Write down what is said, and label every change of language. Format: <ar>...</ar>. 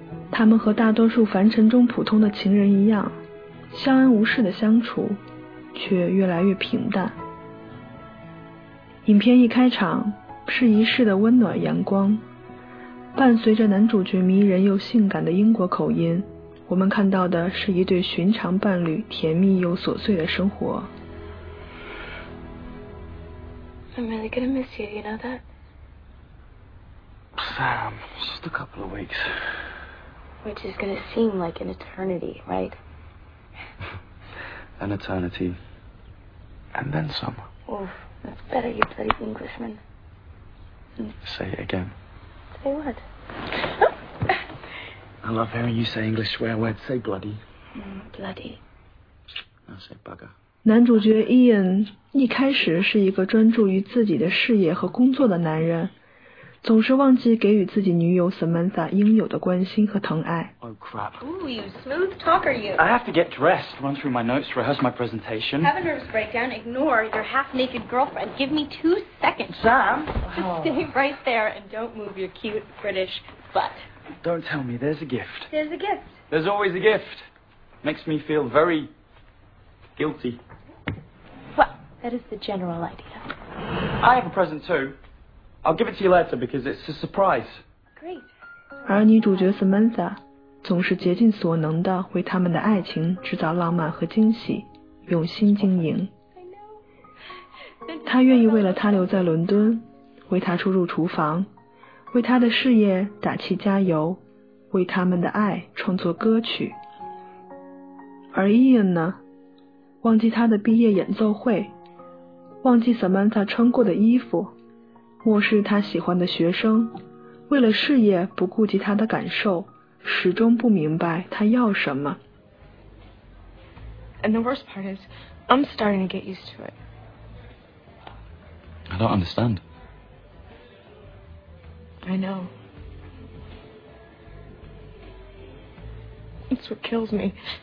<zh>他们和大多数凡尘中普通的情人一样，相安无事的相处，却越来越平淡。影片一开场是一世的温暖阳光，伴随着男主角迷人又性感的英国口音，我们看到的是一对寻常伴侣甜蜜又琐碎的生活。</zh> <en>I'm really gonna miss you, you know that? Sam, just a couple of weeks. Which is gonna seem like an eternity, right? An eternity, and then some. Oh, that's better, you bloody Englishman. Say it again. Say what? I love hearing you say English swear words. Say bloody. Bloody. Now say bugger.</en> <zh>男主角 Ian 一开始是一个专注于自己的事业和工作的男人，总是忘记给予自己女友 Samantha 应有的关心和疼爱。</zh> <en>Oh crap. Ooh, you smooth talker, you. I have to get dressed, run through my notes, rehearse my presentation. Have a nervous breakdown, ignore your half-naked girlfriend. Give me 2 seconds. Sam? Just stay right there and don't move your cute British butt. Don't tell me, there's a gift. There's a gift. There's always a gift. Makes me feel very guilty. Well, that is the general idea. I have a present too. I'll give it to you later because it's a surprise. Great.</en> <zh>而女主角 Samantha 总是竭尽所能地为他们的爱情制造浪漫和惊喜，用心经营。她愿意为了他留在伦敦，为他出入厨房，为他的事业打气加油，为他们的爱创作歌曲。而 Ian 呢，忘记他的毕业演奏会，忘记 Samantha 穿过的衣服，漠视他喜欢的学生，为了事业不顾及他的感受，始终不明白他要什么。</zh> <en>And the worst part is, I'm starting to get used to it. I don't understand. I know. It's what kills me.</en>